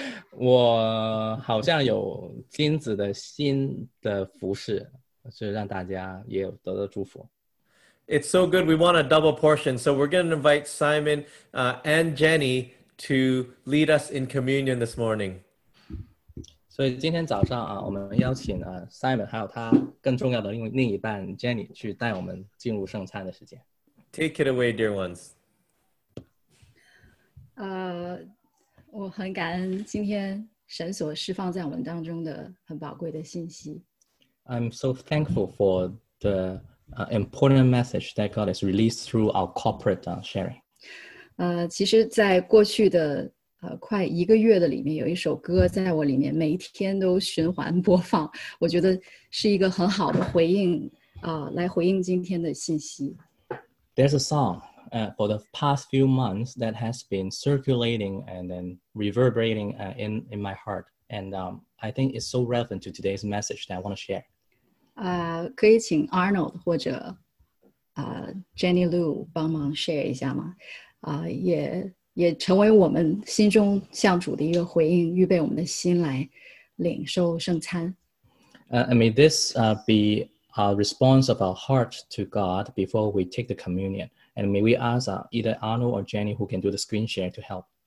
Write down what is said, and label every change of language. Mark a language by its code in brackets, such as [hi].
[zh] 我好像有金子的心的服侍，是让大家也得到祝福。 [en] It's so good. We want a double portion. So we're going to invite Simon and Jenny to lead us in communion this morning. [zh] 所以今天早上我们邀请Simon 还有他更重要的另一半 Jenny 去带我们进入圣餐的时间。 [en] Take it away, dear ones. [zh] 我很感恩今天神所释放在我们当中的很宝贵的信息。 [en] I'm so thankful for the important message that God has released through our corporate sharing. [zh] 其实在过去的快一个月的里面，有一首歌在我里面每一天都循环播放，我觉得是一个很好的回应来回应今天的信息。 [en] There's a song for the past few months that has been circulating and then reverberating in my heart, and I think it's so relevant to today's message that I want to share. [zh] 可以请 Arnold 或者Jenny Lu 帮忙 share 一下吗？也成为我们心中向主的一个回应，预备我们的心来领受圣餐。 [en] May this be a response of our heart to God before we take the communion. And may we ask either Arnold or Jenny who can do the screen share to help.